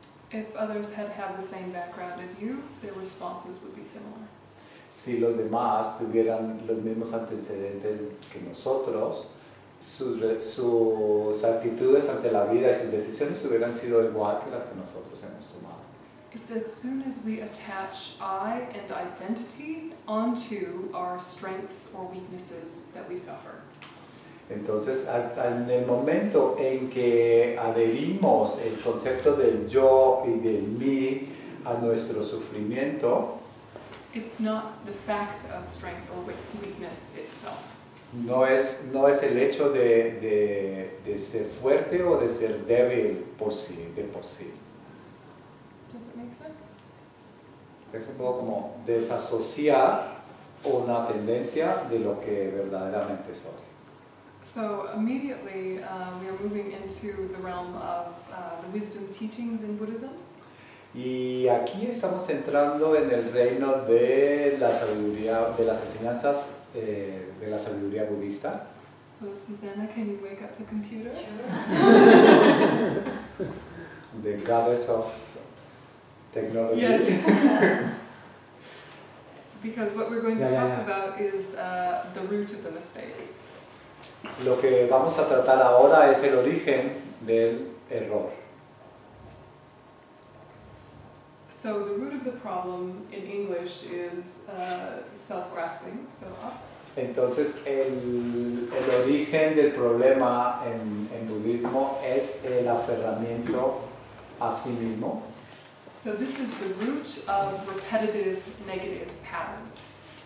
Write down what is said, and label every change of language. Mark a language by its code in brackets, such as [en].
[en] If others had had the same background as you, their responses would be similar. [es] Si los demás tuvieran los mismos antecedentes que nosotros, sus actitudes ante la vida y sus decisiones hubieran sido igual que las que nosotros hemos tomado. [en] It's as soon as we attach I and identity onto our strengths or weaknesses that we suffer. [es] Entonces, en el momento en que adherimos el concepto del yo y del mí a nuestro sufrimiento, [en] it's not the fact of strength or weakness itself. [es] No es el hecho de ser fuerte o de ser débil por sí, de por sí. [en] Does it make sense? [es] Es un poco como desasociar una tendencia de lo que verdaderamente soy. [en] So immediately we are moving into the realm of the wisdom teachings in Buddhism. [es] Y aquí estamos entrando en el reino de la sabiduría, de las enseñanzas de la sabiduría budista. [en] So, Susanna, can you wake up the computer? Sure. The goddess of technology. Yes. Because what we're going to talk about is the root of the mistake. [es] Lo que vamos a tratar ahora es el origen del error. [en] So the root of the problem in English is self-grasping. So up. [es] Entonces, el origen del problema en budismo es el aferramiento a sí mismo. [en] So this is the root of repetitive negative patterns.